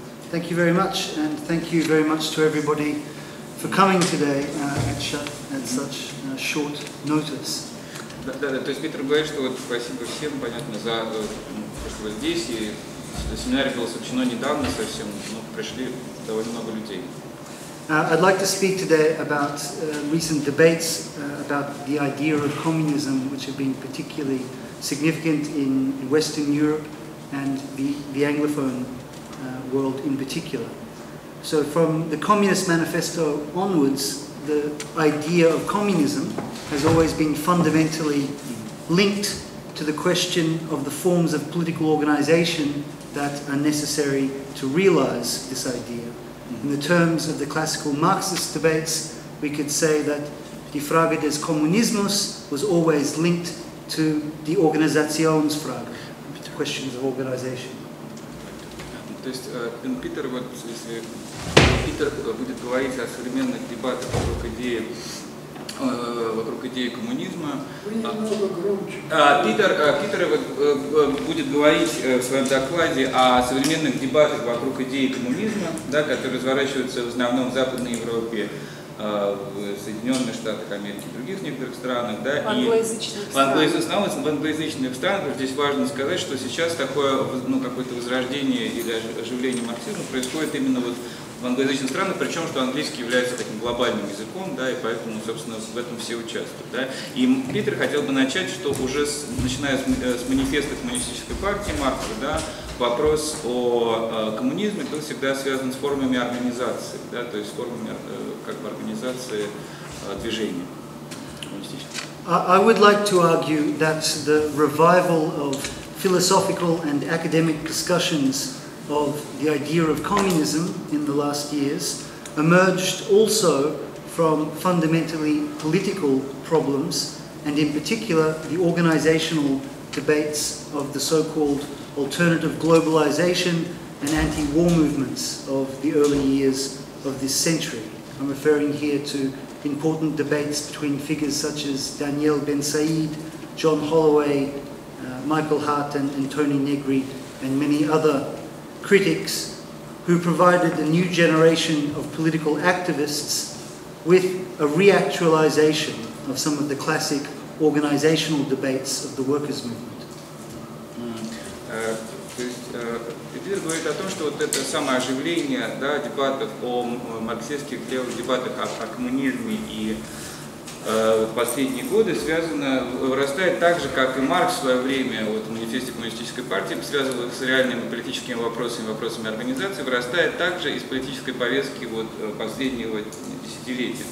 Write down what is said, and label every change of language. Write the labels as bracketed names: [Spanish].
[English] Thank you very much, and thank you very much to everybody for coming today at such short notice. [Russian] Да, то есть Питер говорит, что вот спасибо всем, понятно, за то, что вы здесь, и семинар был сочинен недавно совсем, но пришли довольно много людей. [English] I'd like to speak today about recent debates about the idea of communism, which have been particularly significant in Western Europe. And the Anglophone world in particular. So from the Communist Manifesto onwards, the idea of communism has always been fundamentally linked to the question of the forms of political organization that are necessary to realize this idea. In the terms of the classical Marxist debates, we could say that [German] die Frage des Kommunismus [English] was always linked to the Organisationsfrage, to questions of organization. [Russian] То есть, Питер, вот если Питер будет говорить о современных дебатах вокруг идеи коммунизма, Питер вот будет говорить в своем докладе о современных дебатах вокруг идеи коммунизма, да, которые разворачиваются в основном в Западной Европе, в Соединенных Штатах Америки, в других некоторых странах, да, в англоязычных странах. Здесь важно сказать, что сейчас такое, ну, какое-то возрождение или оживление марксизма происходит именно вот в англоязычных странах, причем что английский является таким глобальным языком, да, и поэтому, собственно, в этом все участвуют. Да. И Питер хотел бы начать, что уже начиная с манифеста коммунистической партии Маркса, да, вопрос о коммунизме был всегда связан с формами организации, да, то есть с формами как бы организации движения. [English] I would like to argue that the revival of philosophical and academic discussions of the idea of communism in the last years emerged also from fundamentally political problems, and in particular the organizational debates of the so-called alternative globalization and anti-war movements of the early years of this century. I'm referring here to important debates between figures such as Daniel Ben Said, John Holloway, Michael Hart, and Tony Negri, and many other critics who provided a new generation of political activists with a reactualization of some of the classic organizational debates of the workers' movement. [Russian] То есть Питер говорит о том, что вот это самооживление, да, дебатов о марксистских левых дебатах о коммунизме и последние годы связано, вырастает так же, как и Маркс в свое время вот, в манифесте коммунистической партии, связывал их с реальными политическими вопросами, вопросами организации, вырастает также из политической повестки вот, последнего десятилетия.